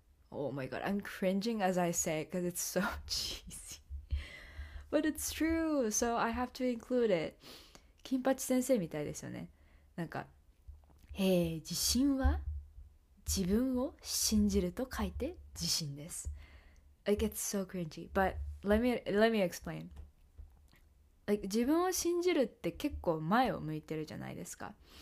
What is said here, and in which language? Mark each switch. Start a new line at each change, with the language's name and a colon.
English: Oh my god, I'm cringing as I say it because it's so cheesy. But it's true, so I have to include it.
Japanese: 金八先生みたいですよね。なんか、自信は自分を信じると書いて自信です。
English: It gets so cringy, but let me explain.
Japanese: Like, 自分を信じるって結構前を向いてるじゃないですか。